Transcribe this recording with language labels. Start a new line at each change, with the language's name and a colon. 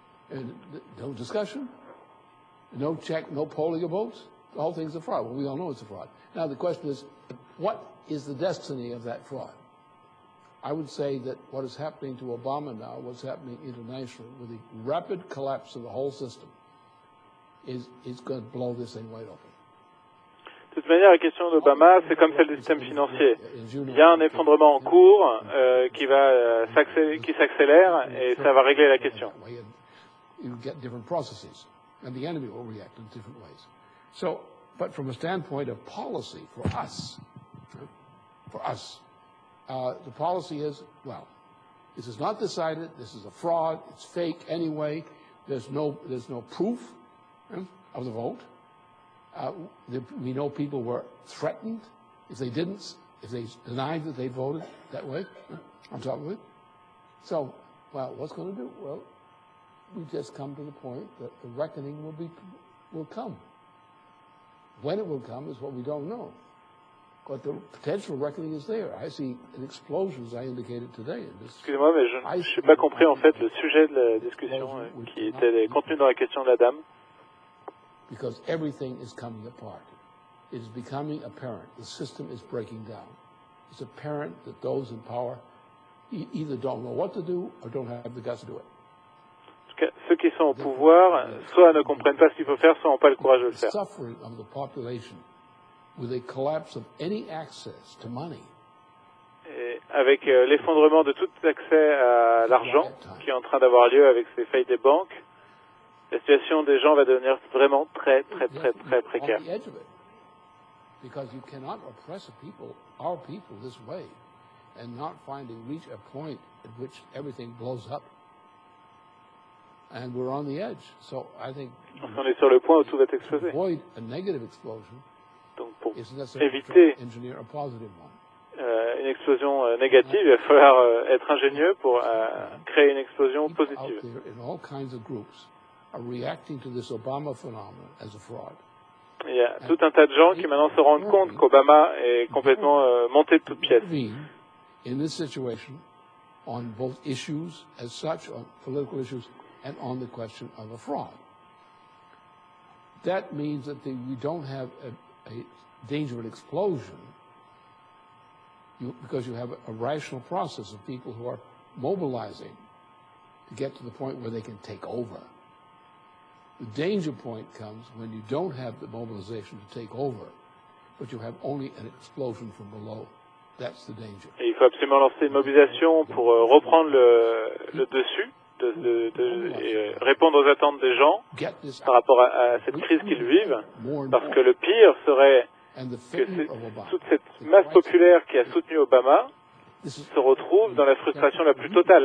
English: And no discussion, no check, no polling of votes. The whole thing's a fraud. Well, we all know it's a fraud. Now, the question is, what is the destiny of that fraud? I would say that what is happening to Obama now, what's happening internationally with the rapid collapse of the whole system, is going to blow this thing wide open.
French: De toute manière, la question d'Obama, c'est comme celle du système financier. Il y a un effondrement en cours qui s'accélère et ça va régler la question.
English: You get different processes, and the enemy will react in different ways. So, but from a standpoint of policy, for us, the policy is, well, this is not decided, this is a fraud, it's fake anyway, there's no proof of the vote. We know people were threatened if they denied that they voted that way, on top of it. So, well, what's going to do? Well, we just come to the point that the reckoning will come. When it will come is what we don't know. But the potential reckoning is there. I see an explosion, as I indicated today.
French: Excusez-moi, mais je n'ai pas compris, en fait, le sujet de la discussion qui était contenu dans la question de la dame.
English: Because everything is coming apart. It is becoming apparent. The system is breaking down. It's apparent that those in power either don't know what to do or don't have the guts to do it.
French: Ceux qui sont au pouvoir, soit ne comprennent pas ce qu'il faut faire, soit n'ont pas le courage de le faire.
English: The suffering of the population with a collapse of any access to money.
French: Et avec l'effondrement de tout accès à l'argent qui est en train d'avoir lieu avec ces faillites des banques, la situation des gens va devenir vraiment très, très, très, très précaire.
English: Because you cannot oppress our people this way and not finally reach a point at which everything blows up. And we're on the edge. So I think
French: on est sur le point où tout va exploser.
English: To avoid a negative explosion,
French: donc pour éviter
English: engineer a positive one.
French: Une explosion négative, il va falloir être ingénieux pour créer une explosion positive.
English: People out there in all kinds of groups are reacting to this Obama phenomenon as a fraud.
French: Il y a tout un tas de gens qui maintenant se rendent compte qu'Obama est complètement monté de toutes pièces.
English: In this situation, on both issues as such, on political issues, and on the question of a fraud. That means that we don't have a dangerous explosion because you have a rational process of people who are mobilizing to get to the point where they can take over. The danger point comes when you don't have the mobilization to take over, but you have only an explosion from below. That's the danger.
French: Et il faut absolument lancer une mobilisation pour reprendre le dessus et répondre aux attentes des gens par rapport à cette crise qu'ils vivent, parce que le pire serait que toute cette masse populaire qui a soutenu Obama se retrouve dans la frustration la plus totale.